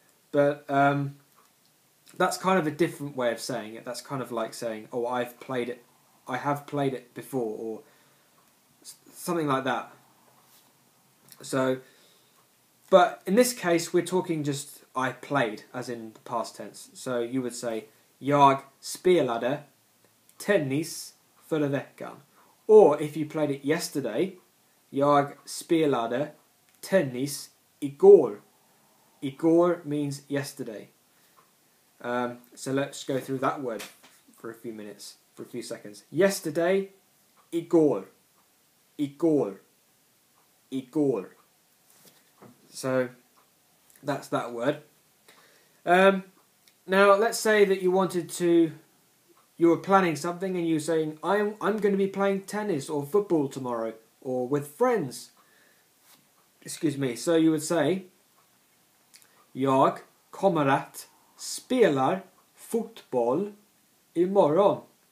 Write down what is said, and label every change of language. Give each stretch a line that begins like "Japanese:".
English: But that's kind of a different way of saying it. That's kind of like saying, oh, I've played it. I have played it before, or something like that. So, but in this case, we're talking just I played, as in the past tense. So you would say
Swedish: jag spelade tennis förra veckan.
English: Or if you played it yesterday,
Swedish: jag spelade tennis igår.
English: Igår means yesterday. So let's go through that word for a few minutes, for a few seconds.
Swedish: Yesterday, igår. Igår.
English: Igår. So that's that word. Now, let's say that you wanted to, you were planning something and you were saying, I'm going to be playing tennis or football tomorrow or with friends. Excuse me. So you would say,
Swedish: jag kommer att spela fotboll imorgon.